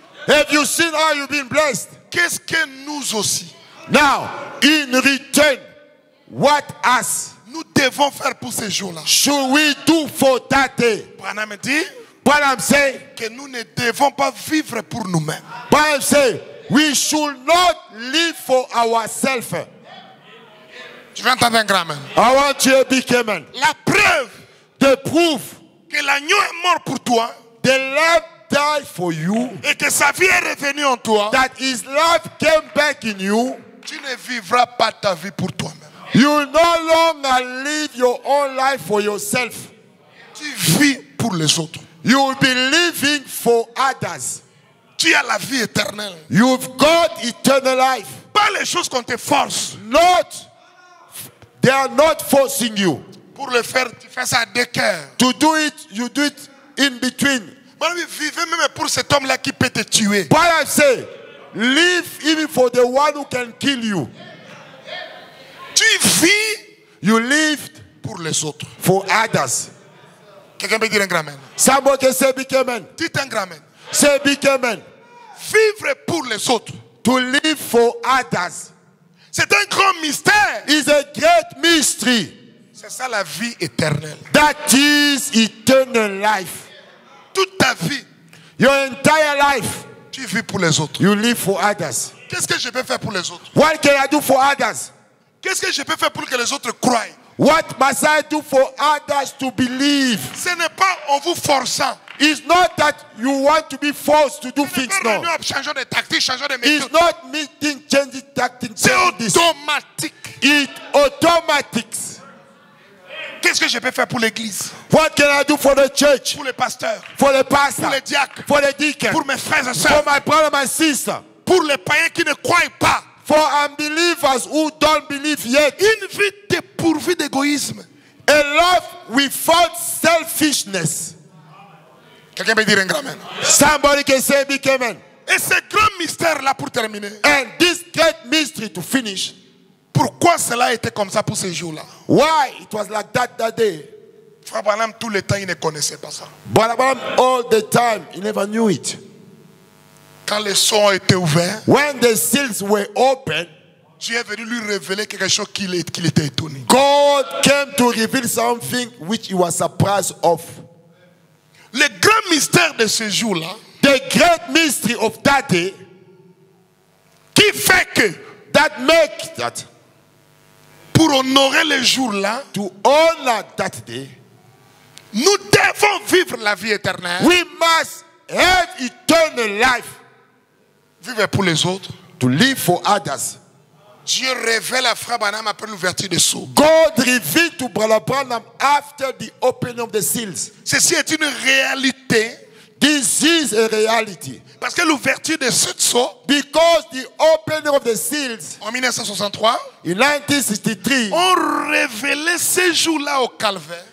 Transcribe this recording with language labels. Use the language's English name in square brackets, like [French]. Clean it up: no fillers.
[English] Have you seen how you've been blessed? [French] Qu'est-ce que nous aussi? [English] Now, in return. What us [French] nous devons faire pour ces jours-là? [English] Should we do for that day? [French] Branham dit, [English] Branham say, [French] que nous ne devons pas vivre pour nous-mêmes. [English] Branham say, we should not live for ourselves. [French] Je vais entendre un grand amen. [English] I want you a big amen. [French] La preuve, [English] the proof, [French] que l'agneau est mort pour toi, [English] the lamb died for you, [French] et que sa vie est revenue en toi, [English] that his life came back in you, [French] tu ne vivras pas ta vie pour toi-même. [English] You no longer live your own life for yourself. [French] Tu vis pour les autres. [English] You will be living for others. [French] Tu as la vie éternelle. [English] You've got eternal life. [French] Pas les choses qu'on te force. [English] Not, they are not forcing you. [French] Pour le faire, tu fais ça de cœur. [English] To do it, you do it in between. [French] vivez même pour cet homme-là qui peut te tuer. [English] But I say, live even for the one who can kill you. [French] Tu vis, [English] you live [French] pour les autres. [English] For others. [French] Quelqu'un peut dire un grand amen. [English] Somebody can say big amen. [French] Dites un grand amen. [English] Say big amen. [French] Vivre pour les autres. [English] To live for others. [French] C'est un grand mystère. [English] It's a great mystery. [French] C'est ça la vie éternelle. [English] That is eternal life. [French] Toute ta vie. [English] Your entire life. [French] Tu vis pour les autres. [English] You live for others. [French] Qu'est-ce que je peux faire pour les autres? [English] What can I do for others? [French] Qu'est-ce que je peux faire pour que les autres croient? [English] What must I do for others to believe? [French] Ce n'est pas en vous forçant. [English] It's not that you want to be forced to do things, no. [French] Changeons de tactique, changeons de méthode. [English] It's not me thinking, changing tactics. [French] C'est automatic. [English] It's automatic. [French] Qu'est-ce que je peux faire pour l'église? [English] What can I do for the church? [French] Pour les pasteurs. [English] For the pastor. [French] Pour les diacres. [English] For the deacon. [French] Pour mes frères et sœurs. [English] For my brother and my sister. [French] Pour les païens qui ne croient pas. [English] For unbelievers who don't believe yet. [French] Une vie dépourvue d'égoïsme. [English] A love without selfishness. [French] Quelqu'un peut dire un grand amen. [English] Somebody can say big amen. [French] Et ce grand mystère là pour terminer. [English] And this great mystery to finish. [French] Pourquoi cela était comme ça pour ces jours-là? [English] Why it was like that that day? [French] Frère Branham, tout le temps, il ne connaissait pas ça. [English] Frère Branham, all the time, he never knew it. [French] Quand les seaux ont été ouverts, [English] when the seals were open, [French] Dieu est venu lui révéler quelque chose qu'il était étonné. [English] God came to reveal something which he was surprised of. [French] Le grand mystère de ces jours-là, [English] the great mystery of that day, [French] qui fait que [English] that make that. [French] Pour honorer le jour là, [English] to honor that day, [French] nous devons vivre la vie éternelle. [English] We must have eternal life. [French] Vivre pour les autres, [English] to live for others. [French] Dieu révèle à Frère Branham après l'ouverture des sceaux. [English] God revealed to Brother Branham after the opening of the seals. [French] Ceci est une réalité. [English] This is a reality. [French] Parce que l'ouverture de ce sceau, [English] because the opening of the seals, [French] en 1963, [English] in 1963, [French] ont révélé ces jours-là au calvaire,